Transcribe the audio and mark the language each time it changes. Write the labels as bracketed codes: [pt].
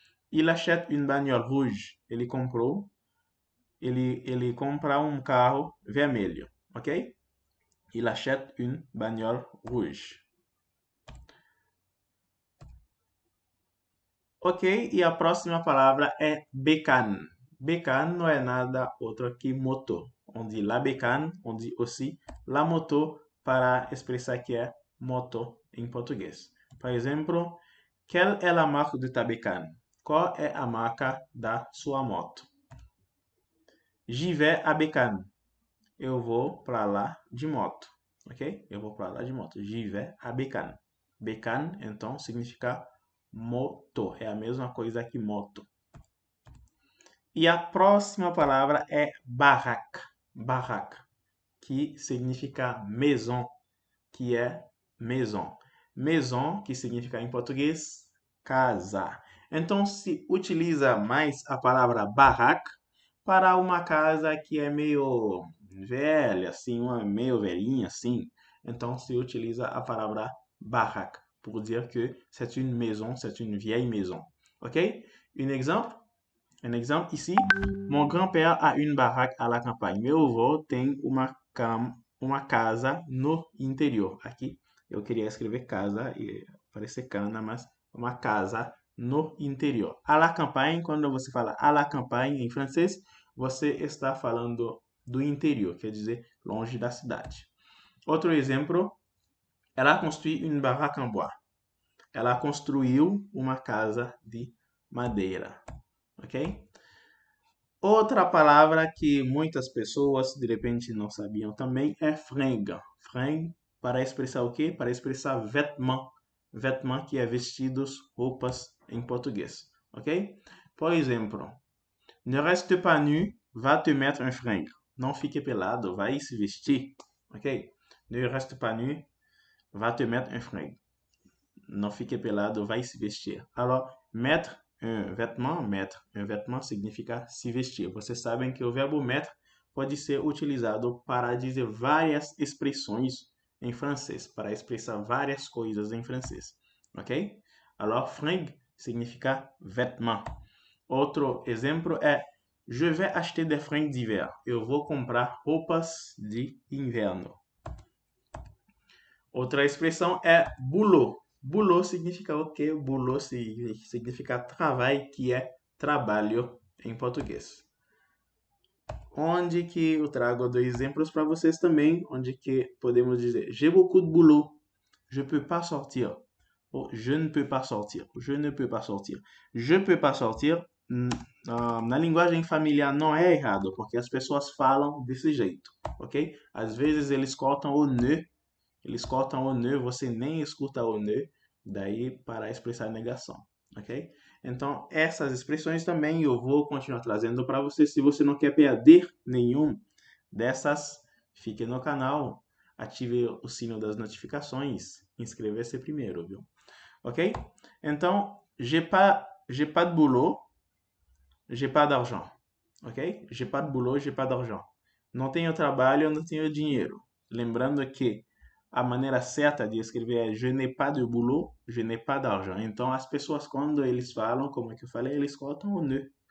[fr] Il achète une bagnole rouge. [pt] Ele comprou. Ele compra um carro vermelho, ok? [fr] Il achète une bagnole rouge. [pt] Ok, e a próxima palavra é bécane. Bécane não é nada outro que motor. Onde la bécane, onde aussi la moto, para expressar que é moto em português. Por exemplo, [fr] quelle est la marque de ta bécane? [pt] Qual é a marca da sua moto? [fr] J'y vais à bécane. [pt] Eu vou para lá de moto. Ok? Eu vou para lá de moto. [fr] J'y vais à bécane. [pt] Bécane, então, significa moto, é a mesma coisa que moto. E a próxima palavra é barraque. Barraque, que significa maison, que é maison. Maison, que significa em português casa. Então se utiliza mais a palavra barraque para uma casa que é meio velha, assim, uma meio velhinha, assim. Então se utiliza a palavra barraque. [fr] Pour dire que c'est une maison, c'est une vieille maison. OK? Un exemple ici. Mon grand-père a une baraque à la campagne. [pt] Meu avô tem uma casa no interior. Aqui, eu queria escrever casa e parece cana, mas uma casa No interior. À la campagne, quando você fala à la campagne em francês, você está falando do interior, quer dizer, longe da cidade. Outro exemplo, ela construiu [fr] une baraque en bois. [pt] Ela construiu uma casa de madeira. Ok? Outra palavra que muitas pessoas de repente não sabiam também é fringue. Fringue para expressar o quê? Para expressar vêtements. Vêtements que é vestidos, roupas. Em português, ok? Por exemplo, [fr] ne reste pas nu, va te mettre un fringue. [pt] Não fique pelado, vai se vestir, ok? [fr] Ne reste pas nu, va te mettre un fringue. [pt] Não fique pelado, vai se vestir. [fr] Alors, mettre un vêtement [pt] significa se vestir. Vocês sabem que o verbo mettre pode ser utilizado para dizer várias expressões em francês, para expressar várias coisas em francês, ok? Alors, fringue significa vêtement. Outro exemplo é [fr] je vais acheter des fringues d'hiver. [pt] Eu vou comprar roupas de inverno. Outra expressão é boulot. Boulot significa o quê? Boulot significa trabalho, que é trabalho em português. Onde que eu trago dois exemplos para vocês também, onde que podemos dizer [fr] j'ai beaucoup de boulot, je peux pas sortir. Oh, je ne peux pas sortir. Je ne peux pas sortir. Je peux pas sortir. [pt] Na linguagem familiar não é errado, porque as pessoas falam desse jeito, ok? Às vezes eles cortam o ne. Eles cortam o ne, você nem escuta o ne, daí para expressar negação, ok? Então, essas expressões também eu vou continuar trazendo para você. Se você não quer perder nenhum dessas, fique no canal, ative o sino das notificações, inscreva-se primeiro, viu? Ok? [fr] Então, j'ai pas de boulot, j'ai pas d'argent. Ok? J'ai pas de boulot, j'ai pas d'argent. [pt] Não tenho trabalho, não tenho dinheiro. Lembrando que a maneira certa de escrever é [fr] je n'ai pas de boulot, je n'ai pas d'argent. [pt] Então, as pessoas, quando eles falam, como é que eu falei, eles cortam o ne.